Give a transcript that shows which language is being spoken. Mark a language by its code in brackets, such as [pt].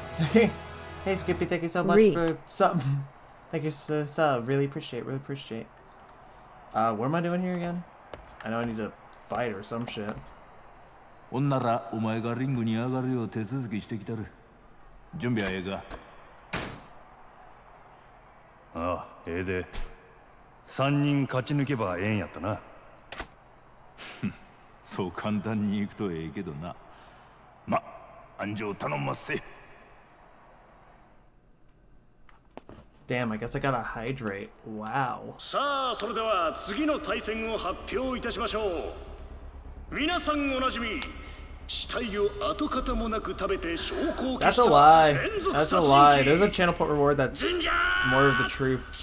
[en] Hey, Skippy, thank you so much for sub. Thank you for the sub. Really appreciate, really appreciate. What am I doing here again? I know I need to fight or some shit. [ja] おんなら、お前がリングに上がるよう手続きしてきたる。準備はええか？ああ、ええで。三人勝ち抜けばええんやったな。そう簡単に行くとええけどな。安城頼んませ。 [en] Damn, I guess I gotta hydrate. Wow. [ja] さあ、それでは次の対戦を発表いたしましょう。皆さんおなじみ、死体を跡形もなく食べて証拠を消した連続殺人鬼。 [en] That's a lie. That's a lie. There's a channel port reward that's more of the truth.